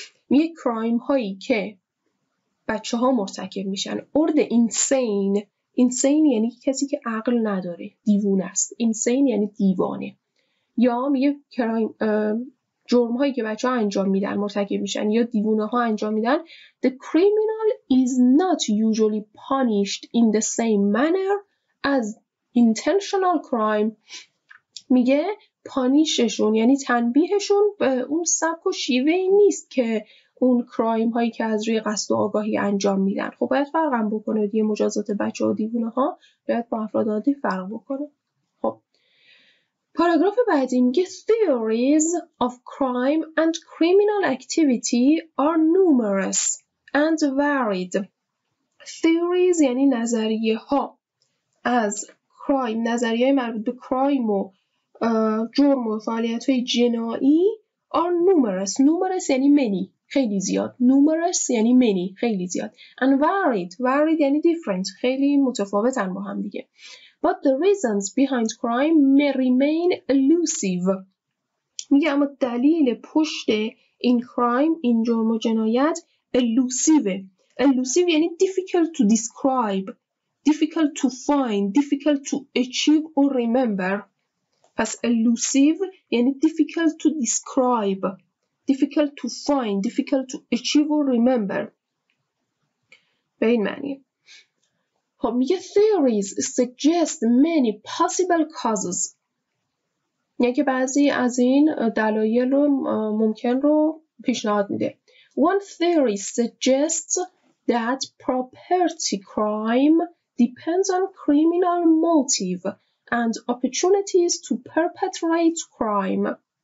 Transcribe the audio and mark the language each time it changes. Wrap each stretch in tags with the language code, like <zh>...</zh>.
<fa>یه کرایم هایی که بچه ها مرتکب میشن.</fa> <en>Or the insane.</en> <fa>Insane یعنی کسی که عقل نداره. دیوونه است. Insane یعنی دیوانه. یا میگه کرایم، جرم هایی که بچه ها انجام میدن، مرتکب میشن یا دیوونه ها انجام میدن.</fa> <en>The criminal is not usually punished in the same manner as intentional crime.</en> <fa>میگه پانیششون یعنی تنبیهشون به اون سبک و شیوهی نیست که اون کرایم هایی که از روی قصد و آگاهی انجام میدن. خب باید فرق هم بکنه دیگه، مجازات بچه و دیوونه ها باید با افراد عادی فرق بکنه. خب پاراگراف بعدی میگه</fa> <en>theories of crime and criminal activity are numerous and varied.</en> <fa>theories یعنی نظریه ها از کرایم، نظریه های مربوط به کرایم و جرم و فعالیت های جنایی</fa> <en>are numerous.</en> <fa>numerous یعنی many، خیلی زیاد. numerous یعنی many، خیلی زیاد.</fa> <en>and varied،</en> <fa>varied یعنی different، خیلی متفاوتن با هم دیگه.</fa> <en>but the reasons behind crime may remain elusive.</en> <fa>میگه اما دلیل پشت این کرایم، این جرم و جنایت elusive.</fa> <en>elusive یعنی difficult to describe، difficult to find، difficult to achieve or remember. پس elusive یعنی difficult to describe، difficult to find، difficult to achieve or remember.</en> <fa>به این معنی. خب میگه</fa> <en>theories suggest many possible causes.</en> <fa>یعنی بعضی از این دلایل رو ممکن رو پیشنهاد میده.</fa> <en>One theory suggests that property crime depends on criminal motive and opportunities to perpetrate crime.</en>